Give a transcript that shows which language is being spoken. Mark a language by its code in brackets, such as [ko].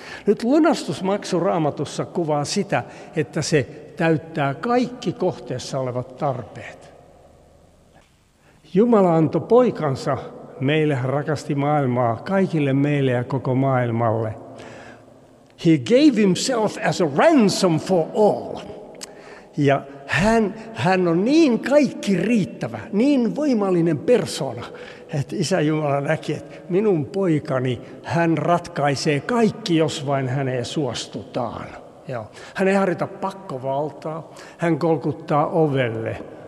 [fi] Nyt lunastusmaksu Raamatussa kuvaa sitä, että se täyttää kaikki kohteessa olevat tarpeet. Jumala antoi poikansa. Meille hän rakasti maailmaa, kaikille meille ja koko maailmalle. [en] He gave himself as a ransom for all. [fi] Ja hän on niin kaikki riittävä, niin voimallinen persona, että Isä Jumala näki, että minun poikani, hän ratkaisee kaikki, jos vain häneen suostutaan. Joo. Hän ei harjoita pakkovaltaa, hän kolkuttaa ovelle.